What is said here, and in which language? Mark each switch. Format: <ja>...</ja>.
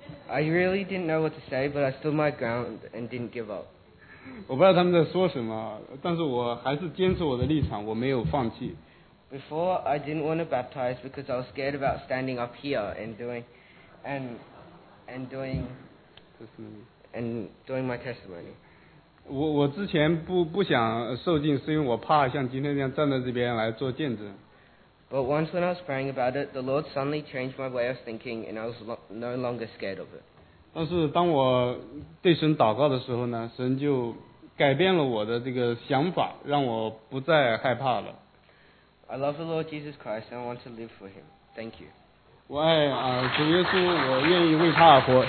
<en>I really didn't know what to say, but I stood my ground and didn't give up.</en> <zh>我不知道他们在说什么，但是我还是坚持我的立场，我没有放弃。</zh> <en>Before, I didn't want to baptize because I was scared about standing up here and doing my testimony.</en> <zh>我之前不想受浸，是因为我怕像今天这样站在这边来做见证。</zh> <en>But once when I was praying about it, the Lord suddenly changed my way of thinking, and I was no longer scared of it.</en> <zh>但是当我对神祷告的时候呢，神就改变了我的这个想法，让我不再害怕了。</zh> <en>I love the Lord Jesus Christ, and I want to live for Him. Thank you.</en> <zh>我爱主耶稣，我愿意为他而活。</zh>